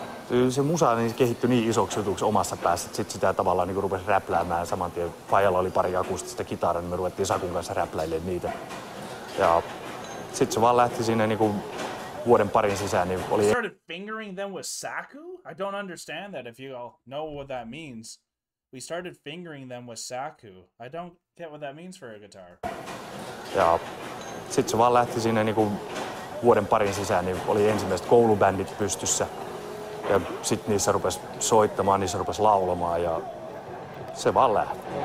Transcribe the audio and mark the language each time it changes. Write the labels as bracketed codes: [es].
[fi] Ja se musa niin kehittyi niin isoksi jutuksi omassa päässä, että sit sitä tavallaan niinku rupes räpläämään saman tien. Faijalla oli pari akustista kitaraa, niin me ruvettiin Sakun kanssa räpläilemään niitä. Ja sit se vaan lähti sinne niinku vuoden parin sisään, niin oli... [en] Started fingering them with Saku? I don't understand that, if you all know what that means. We started fingering them with Saku. I don't get what that means for a guitar. [fi] Ja sit se vaan lähti sinne niinku vuoden parin sisään, niin oli ensimmäiset koulubändit pystyssä. Ja sit niissä rupes soittamaan, niissä rupes laulamaan ja se vaan lähti.